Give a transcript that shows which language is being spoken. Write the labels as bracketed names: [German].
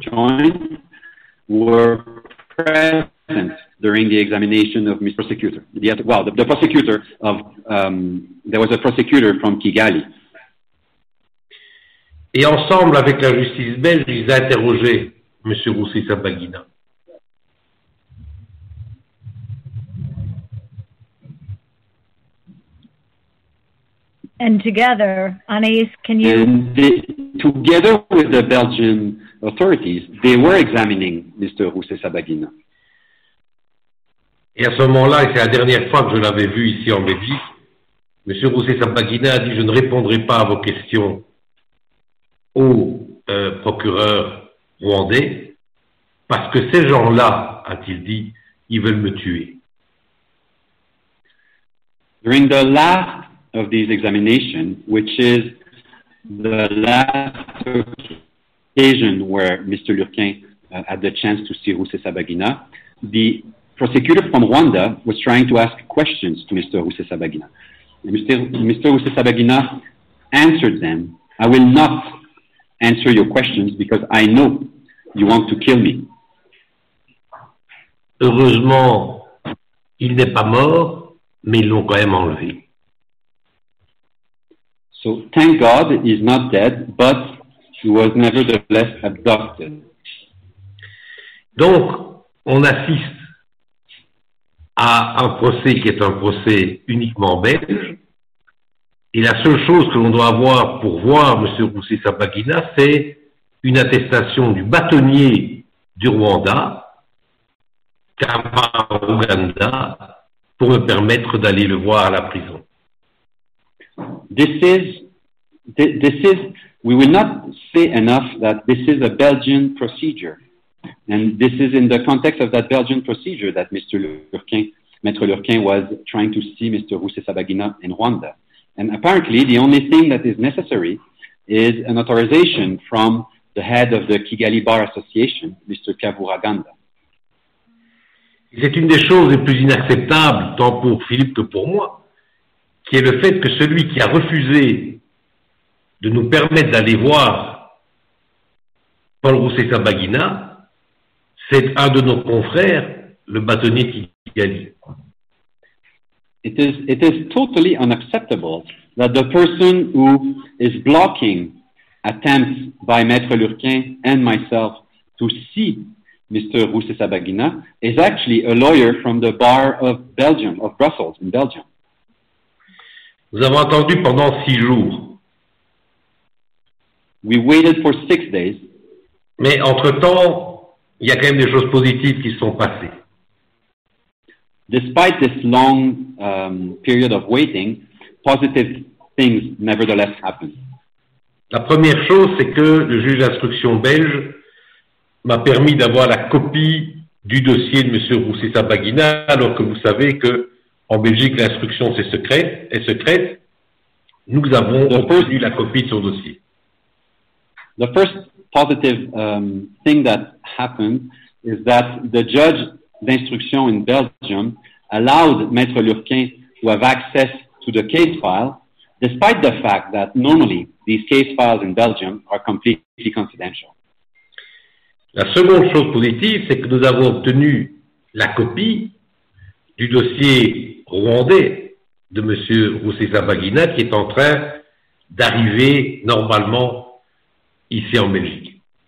[English] joint were present during the examination of Mr. Prosecutor. The prosecutor of there was a prosecutor from Kigali. [French] Et ensemble avec la justice belge, ils ont interrogé M. Rusesabagina. [English] And together, Anaïs, can you? And together with the Belgian authorities, they were examining Mr. Rusesabagina. [French] Et à ce moment-là, et c'est la dernière fois que je l'avais vu ici en Belgique, M. Rusesabagina a dit : je ne répondrai pas à vos questions au procureur rwandais, parce que ces gens-là, a-t-il dit, ils veulent me tuer. [English] During the last of these examinations, which is the last occasion where Mr. Lurquin had the chance to see Rusesabagina, the prosecutor from Rwanda was trying to ask questions to Mr. Rusesabagina. Mr. Rusesabagina answered them, I will not answer your questions because I know you want to kill me. [French] Heureusement, il n'est pas mort, mais ils l'ont quand même enlevé. [English] So thank God he's not dead, but he was nevertheless abducted. [French] Donc, on assiste à un procès qui est un procès uniquement belge. Et la seule chose que l'on doit avoir pour voir M. Rusesabagina, c'est une attestation du bâtonnier du Rwanda, Kabaruganda, pour me permettre d'aller le voir à la prison. [English] This is, we will not say enough that this is a Belgian procedure. And this is in the context of that Belgian procedure that Maître Lurquin was trying to see Mr. Rusesabagina in Rwanda. And apparently, the only thing that is necessary is an authorization from the head of the Kigali Bar Association, Mr. Kavuraganda. [French] C'est une des choses les plus inacceptables, tant pour Philippe que pour moi, qui est le fait que celui qui a refusé de nous permettre d'aller voir Paul Rusesabagina, c'est un de nos confrères, le bâtonnier Kigali. [English] It is totally unacceptable that the person who is blocking attempts by Maître Lurquin and myself to see Mr. Rusesabagina is actually a lawyer from the bar of Belgium, of Brussels, in Belgium. [French] Nous avons attendu pendant six jours. [English] We waited for 6 days. [French] Mais entre-temps, il y a quand même des choses positives qui se sont passées. [English] Despite this long period of waiting, positive things nevertheless happen. [French] La première chose, c'est que le juge d'instruction belge m'a permis d'avoir la copie du dossier de M. Rusesabagina, alors que vous savez que en Belgique, l'instruction est secrète. Nous avons obtenu la copie de son dossier. [English] The first positive thing that happened is that the judge d'instruction in Belgium allowed Maître Lurquin to have access to the case file, despite the fact that normally these case files in Belgium are completely confidential. [French] La seconde chose positive, c'est que nous avons obtenu la copie du dossier rwandais de M. Rusesabagina qui est en train d'arriver normalement ici en Belgique.